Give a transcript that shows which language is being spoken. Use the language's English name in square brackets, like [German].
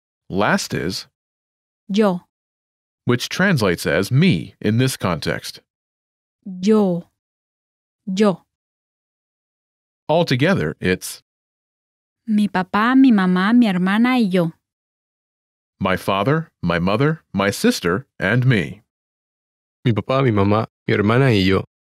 [English] Last is [Spanish] yo, [English] which translates as me in this context. [Spanish] Yo. Yo. [English] Altogether, it's [Spanish] mi papá, mi mamá, mi hermana y yo. [English] My father, my mother, my sister, and me. [Spanish] Mi papá, mi mamá, mi hermana y yo.